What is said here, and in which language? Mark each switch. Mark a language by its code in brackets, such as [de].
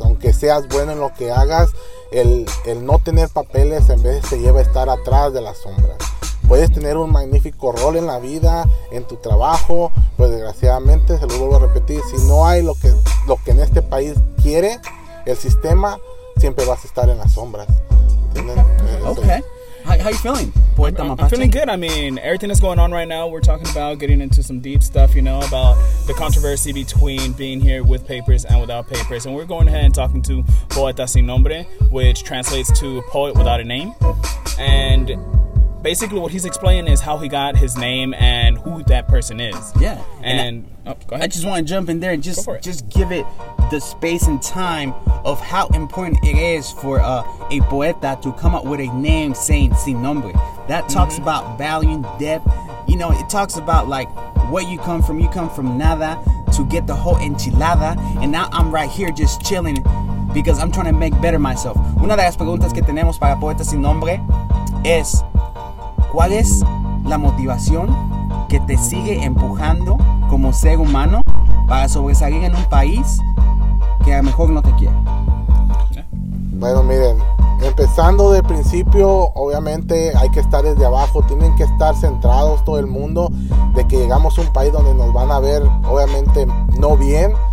[es] Aunque seas bueno en lo que hagas, el no tener papeles en vez te lleva a estar atrás de las sombras. Puedes tener un magnífico rol en la vida, en tu trabajo, pues desgraciadamente, se lo vuelvo a repetir, si no hay lo que en este país quiere el sistema, siempre vas a estar en las sombras. [en] Okay. How you feeling? I'm feeling good. I mean, everything that's going on right now, we're talking about getting into some deep stuff, you know, about the controversy between being here with papers and without papers. And we're going ahead and talking to Poeta Sin Nombre, which translates to poet without a name. And basically what he's explaining is how he got his name and who that person is. Yeah. Go ahead. I just want to jump in there and just give it the space and time of how important it is for a poeta to come up with a name saying sin nombre. That talks about valuing depth. You know, it talks about like what you come from. You come from nada to get the whole enchilada. And now I'm right here just chilling because I'm trying to make better myself. [es] Una de las preguntas que tenemos para Poeta Sin Nombre es, ¿cuál es la motivación que te sigue empujando como ser humano para sobresalir en un país que a lo mejor no te quiere? Bueno, miren, empezando de principio, obviamente hay que estar desde abajo, tienen que estar centrados todo el mundo de que llegamos a un país donde nos van a ver, obviamente, no bien,